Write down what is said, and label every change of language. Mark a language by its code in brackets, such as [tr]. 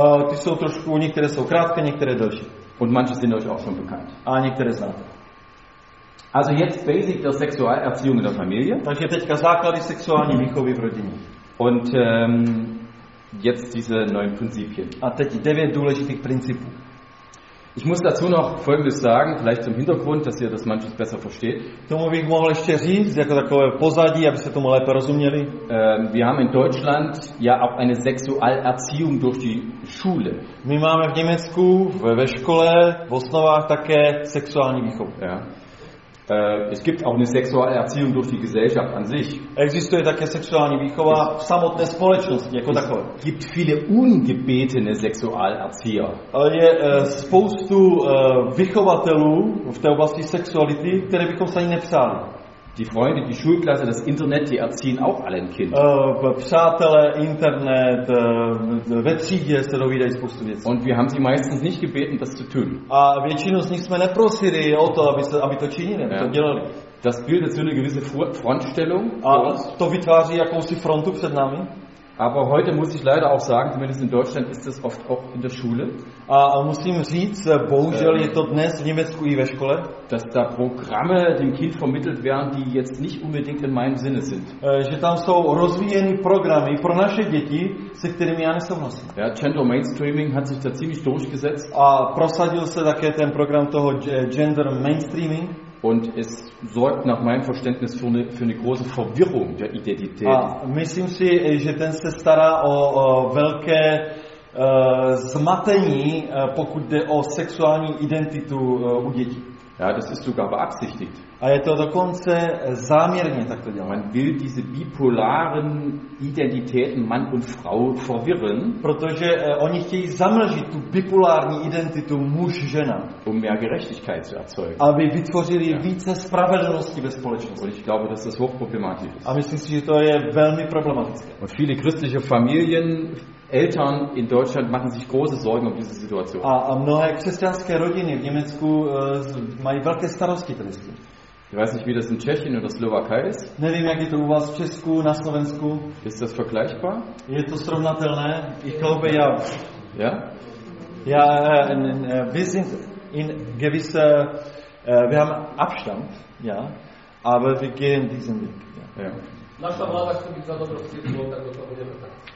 [cs] Ty jsou trošku, některé jsou krátké, některé delší. [de] Und manche sind euch auch schon bekannt. [cs] A některé znáte. [de] Also jetzt basic der Sexualerziehung in der Familie. [cs] Takže teďka základy sexuální výchovy v rodině. [de] Und jetzt diese 9 Prinzipien. [cs] A teď 9 důležitých principů. [de] Ich muss dazu noch Folgendes sagen, vielleicht zum Hintergrund, dass ihr das manches besser versteht. [cs] Tomu bych mohl ještě říct, jako takové pozadí, abyste tomu lépe rozuměli. [de] Wir haben in Deutschland ja auch eine Sexualerziehung durch die Schule. [cs] My máme v Německu, ve škole, v osnovách také sexuální výchovu. [de] Ja. Es gibt auch eine Sexualerziehung durch die Gesellschaft an sich. [cs] Existuje také sexuální výchova v samotné společnosti jako takové. [de] Es gibt viele ungebetene Sexualerzieher. [cs] Je spoustu vychovatelů v té oblasti sexuality, které bychom se ani nepřáli. [de] Die Freunde, die Schulklasse, das Internet, die erziehen auch alle ein Kind. [cs] Přátelé, Internet, ve třídě se dovídají spoustu věcí. [de] Und wir haben sie meistens nicht gebeten, das zu tun. [cs] A většinu z nich jsme neprosili o to, aby to činili, aby to dělali. [de] Das bildet so eine gewisse Frontstellung. [cs] A to vytváří jakousi frontu před námi. [de] Aber heute muss ich leider auch sagen, zumindest in Deutschland ist das oft auch in der Schule. [cs] A musím říct, bohužel je to dnes v Německu i ve škole, [de] dass da Programme dem Kind vermittelt werden, die jetzt nicht unbedingt in meinem Sinne sind. [cs] Že tam jsou rozvíjeny programy pro naše děti, se kterými já nesouhlasím. [de] Ja, gender mainstreaming hat sich da ziemlich durchgesetzt. [cs] A prosadil se také ten program toho gender mainstreaming. [de] Und es sorgt nach meinem Verständnis für eine große Verwirrung der Identität. [cs] A myslím si, že ten se stará o velké zmatení, pokud jde o sexuální identitu u dětí. [de] Ja, das ist sogar beabsichtigt. [cs] A je to dokonce záměrně tak to dělá. [de] Man will diese bipolaren Identitäten Mann und Frau verwirren. [cs] Protože oni chtějí zamlžit tu bipolární identitu muž-žena. [de] Um mehr Gerechtigkeit zu erzeugen. [cs] Aby vytvořili více spravedlnosti ve společnosti. [de] Und ich glaube, dass das hochproblematisch ist. [cs] A myslím si, že to je velmi problematické. [de] Und viele christliche Familien, Eltern in Deutschland machen sich große Sorgen um diese Situation. [cs] A mnohé křesťanské rodiny v Německu mají velké starosti tady s tím. [de] Ich weiß nicht, wie das in Tschechien oder Slowakei ist. [cs] Nevím, jak je to u vás v Česku, na Slovensku. [de] Ist das vergleichbar? [cs] Je to srovnatelné? [de] Ich glaube, ja. Ja? Ja, wir sind in gewisse, wir haben Abstand, ja, aber wir gehen diesen Weg. Ja. [cs] Naša vláda chce být za dobro světlo, tak to budeme tak.